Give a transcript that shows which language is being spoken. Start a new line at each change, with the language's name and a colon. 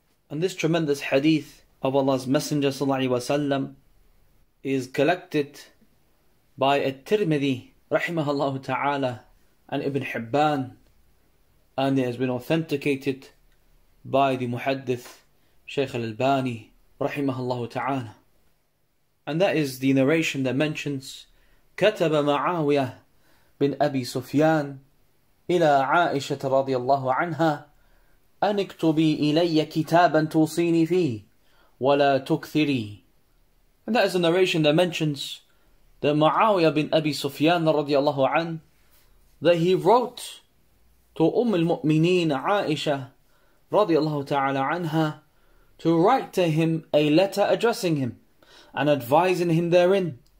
English: And this tremendous hadith of Allah's Messenger sallallahu alayhi wa sallam is collected by At-Tirmidhi rahimahullah ta'ala and Ibn Hibban, and it has been authenticated by the Muhaddith Shaykh Al-Albani rahimahullah ta'ala. And that is the narration that mentions
Arabic: كتب معاوية بن أبي سفيان إلى عائشة رضي الله عنها أن اكتبي إلي كتابا توصيني فيه ولا تكثري.
English: And that is a narration that mentions that Muawiyah bin Abi Sufyan radiallahu an, that he wrote to al-Mu'mineen Aisha radiallahu ta'ala anha to write to him a letter addressing him and advising him therein.